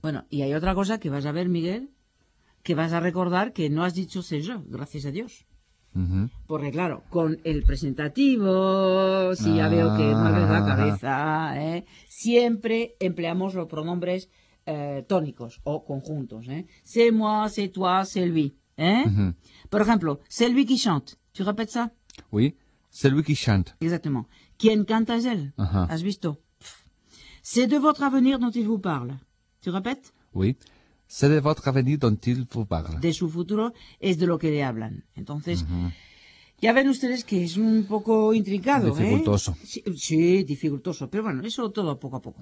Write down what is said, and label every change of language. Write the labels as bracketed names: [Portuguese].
[Spanish] Bueno, y hay otra cosa que vas a ver, Miguel, que vas a recordar que no has dicho [French] c'est je, [Spanish] gracias a Dios. Porque claro, con el presentativo, si ya veo que mueves la cabeza, siempre empleamos los pronombres tónicos o conjuntos. [French] C'est moi, c'est toi, c'est lui. [Spanish] Por ejemplo, [French] c'est lui qui chante. [Spanish] ¿Tu repites [French] ça? Oui, c'est lui qui chante. Exactement. [Spanish] ¿Quién canta es él? ¿Has visto? [French] C'est de votre avenir dont il vous parle. [Spanish] ¿Tu repites? [French] Oui. C'est de votre avenir dont il vous parle. [Spanish] De su futuro es de lo que le hablan. Entonces, ya ven ustedes que es un poco intrincado. Dificultoso. Sí, dificultoso. Pero bueno, eso todo poco a poco.